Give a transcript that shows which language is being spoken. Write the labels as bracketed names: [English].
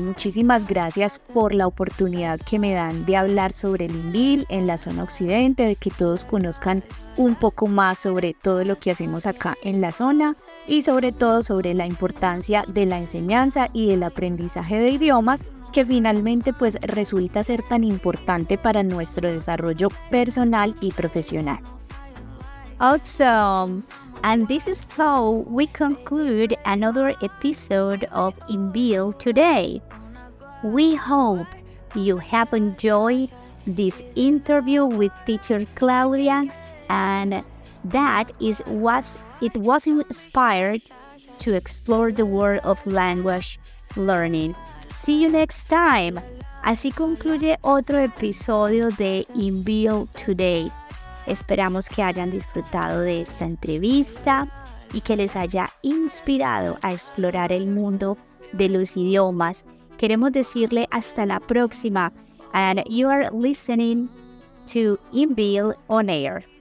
[Spanish] Muchísimas gracias por la oportunidad que me dan de hablar sobre el NIMBIL en la zona occidente, de que todos conozcan un poco más sobre todo lo que hacemos acá en la zona y sobre todo sobre la importancia de la enseñanza y el aprendizaje de idiomas, que finalmente pues resulta ser tan importante para nuestro desarrollo personal y profesional. [English] Awesome. And this is how we conclude another episode of NIMBIL today. We hope you have enjoyed this interview with Teacher Claudia, and that is what it was inspired to explore the world of language learning. See you next time. [Spanish] Así concluye otro episodio de Invio Today. Esperamos que hayan disfrutado de esta entrevista y que les haya inspirado a explorar el mundo de los idiomas. Queremos decirle hasta la próxima. [English] And you are listening to Inbuilt on Air.